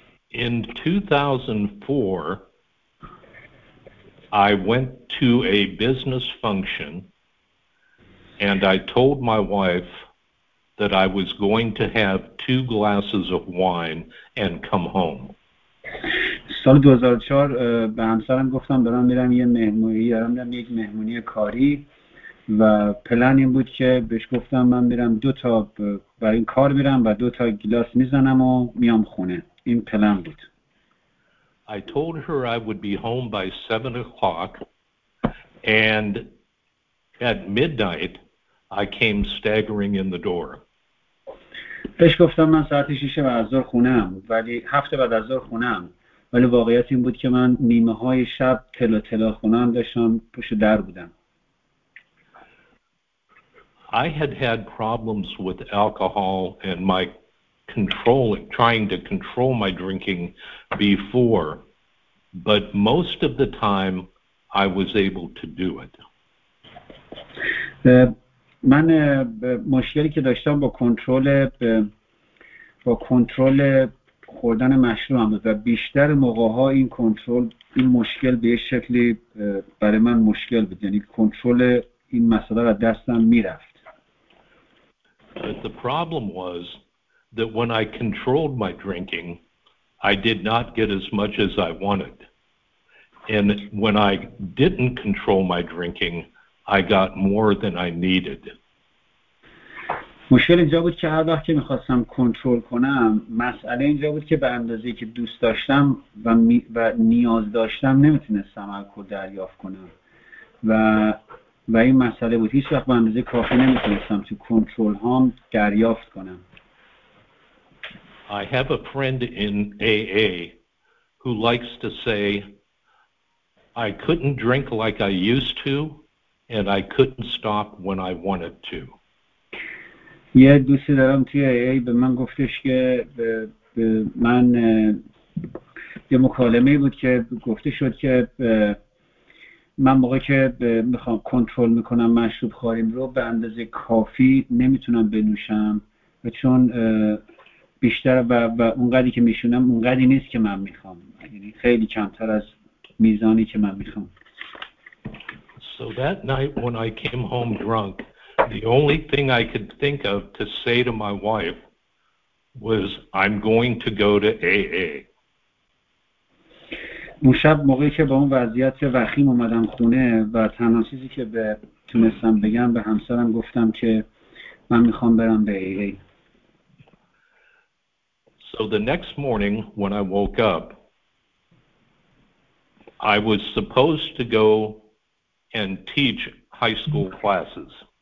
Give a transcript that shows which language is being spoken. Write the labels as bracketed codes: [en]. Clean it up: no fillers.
[en] In 2004, I went to a business function and I told my wife that I was going to have two glasses of wine and come home. [fa] سال 2004 به همسرم گفتم دارم میرم یه مهمونی، دارم میرم یک مهمونی کاری و پلن این بود که بهش گفتم من میرم دو تا برای این کار میرم و دو تا گلاس میزنم و میام خونه. این پلن بود. [en] I told her I would be home by 7 o'clock and at midnight I came staggering in the door. [fa] بهش گفتم من ساعت 6 بعد از ظهر خونم، ولی 7 بعد از ظهر خونم، ولی واقعیت این بود که من نیمه های شب تلو تلو خونم داشتم پشت در بودم. [en] I had had problems with alcohol and my controlling, trying to control my drinking before, but most of the time I was able to do it. [fa] من مشکلی که داشتم با کنترل خوردن مشروب هم بود و بیشتر موقع ها این کنترل، این مشکل به یه شکلی برای من مشکل بود، یعنی کنترل این مسئله را دستم می رفت. [en] But the problem was that when I controlled my drinking, I did not get as much as I wanted. And when I didn't control my drinking, I got more than I needed. [fa] مشکل اینجا بود که هر وقت که میخواستم کنترل کنم، مسئله اینجا بود که به اندازه‌ای که دوست داشتم و نیاز داشتم نمیتونستم الکل دریافت کنم و این مسئله بود، هیچ وقت به اندازه کافی نمیتونستم تو کنترل هام دریافت کنم. [en] I have a friend in AA who likes to say I couldn't drink like I used to and I couldn't stop when I wanted to. [fa] یه دوستی دارم توی AA به من گفتش که به من یه مکالمه بود که گفته شد که من موقعی که میخوام کنترل میکنم مشروب خوریم رو به اندازه کافی نمیتونم بنوشم و چون بیشتر و اونقدری که میشونم اونقدری نیست که من میخوام، یعنی خیلی کمتر از میزانی که من میخوام. [en] So that night when I came home drunk, the only thing I could think of to say to my wife was, I'm going to go to AA. [fa] اون شب موقعی که با اون وضعیت وخیم اومدم خونه و تنها چیزی که تونستم بگم به همسرم گفتم که من میخوام برم به AA. [en] So the next morning when I woke up, I was supposed to go and teach high school classes.